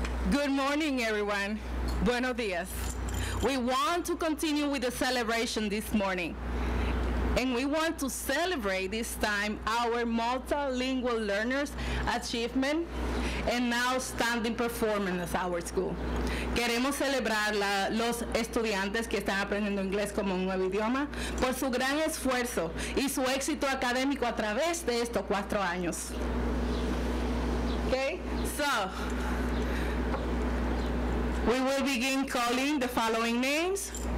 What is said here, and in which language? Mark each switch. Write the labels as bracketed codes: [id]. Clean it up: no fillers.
[en] Good morning, everyone. [es] Buenos dias. [en] We want to continue with the celebration this morning. And we want to celebrate this time our multilingual learners' achievement and outstanding performance at our school. [es] Queremos celebrar los estudiantes que están aprendiendo inglés como un nuevo idioma por su gran esfuerzo y su éxito académico a través de estos 4 años. [en] Okay? So, we will begin calling the following names.